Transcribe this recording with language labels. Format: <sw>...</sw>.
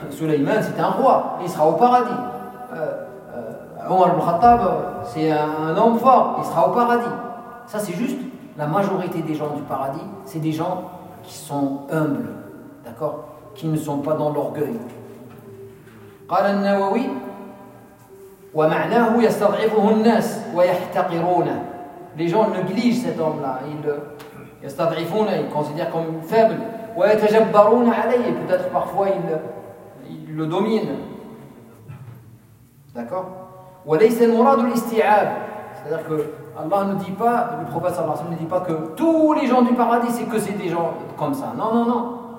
<fr>Sulayman, c'est un roi, il sera au paradis. Omar al-Khattab, c'est un homme fort, il sera au paradis. Ça, c'est juste la majorité des gens du paradis, c'est des gens qui sont humbles, d'accord? Qui ne sont pas dans l'orgueil.</fr> <ar>قال النووي ومعناه يستضعفه الناس ويحتقرونه.</ar> <fr>Les gens négligent cet homme-là, ils considèrent comme faible.</fr> <ar>ويتجبرون عليه,</ar> <fr>peut-être parfois ils le dominent. D'accord?</fr> <ar>وليس المراد الاستيعاب.</ar> <fr>C'est-à-dire que Allah ne dit pas, le prophète sallallahu alayhi wa sallam ne dit pas que tous les gens du paradis, c'est que c'est des gens comme ça. Non, non, non.</fr>